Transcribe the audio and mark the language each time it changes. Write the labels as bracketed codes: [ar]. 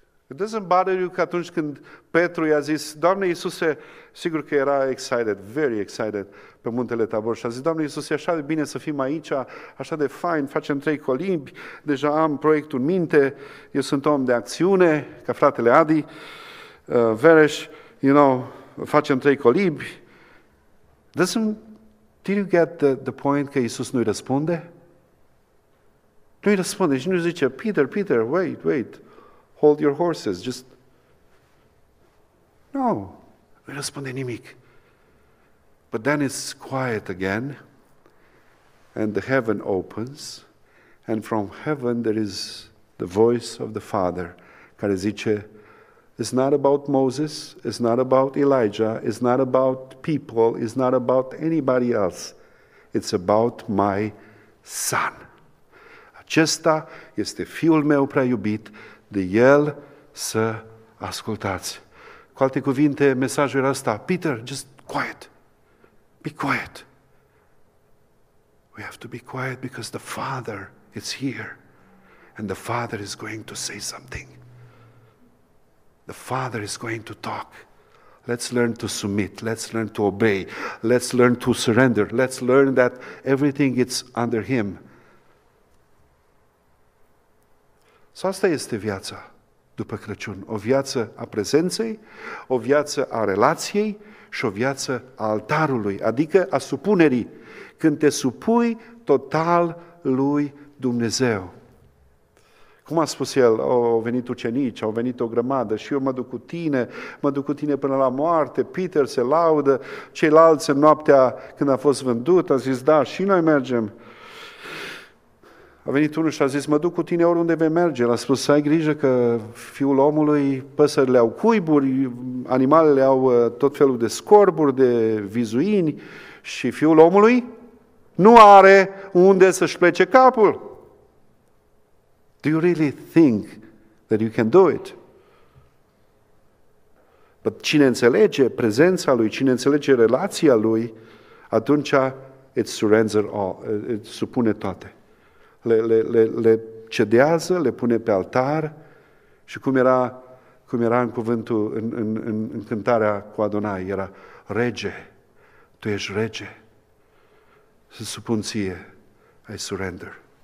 [en] It doesn't bother you [ro] că atunci când Petru i-a zis, Doamne Iisuse, sigur că era excited, [en] very excited, [ro] pe muntele Tabor și a zis, Doamne Iisuse, e așa de bine să fim aici, așa de fain, facem trei colimbi, deja am proiectul în minte, eu sunt om de acțiune, ca fratele Adi, Vereș, [en] you know, [ro] facem trei colimbi. [en] Did you get the point [ro] că Iisus nu-i răspunde? Nu-i răspunde și nu zice, Peter, [en] wait, hold your horses, just... [ro] No, nu-i răspunde nimic. [en] But then it's quiet again, and the heaven opens, and from heaven there is the voice of the Father, [ro] care zice, [en] it's not about Moses, it's not about Elijah, it's not about people, it's not about anybody else. It's about my son. [ro] Acesta este fiul meu prea iubit, de el să ascultați. Cu alte cuvinte, mesajul era ăsta, Peter, [en] just quiet, be quiet. We have to be quiet because the Father is here and the Father is going to say something. The Father is going to talk. Let's learn to submit. Let's learn to obey. Let's learn to surrender. Let's learn that everything is under Him. [ro] Sau asta este viața după Crăciun. O viață a prezenței, o viață a relației și o viață a altarului, adică a supunerii, când te supui total lui Dumnezeu. Cum a spus el, au venit ucenici, au venit o grămadă și eu mă duc cu tine, mă duc cu tine până la moarte, Peter se laudă, ceilalți în noaptea când a fost vândut, a zis, da, și noi mergem. A venit unul și a zis, mă duc cu tine oriunde vei merge. L-a spus, ai grijă că fiul omului, păsările au cuiburi, animalele au tot felul de scorburi, de vizuini și fiul omului nu are unde să-și plece capul. [en] Do you really think that you can do it? [ro] But cine înțelege prezența lui, cine înțelege relația lui, atunci [en] it surrenders all, [ro] it supune toate. Le cedează, le pune pe altar și cum era în cuvântul, în cântarea cu Adonai, era rege, tu ești rege, se supun ție, [en] I surrender.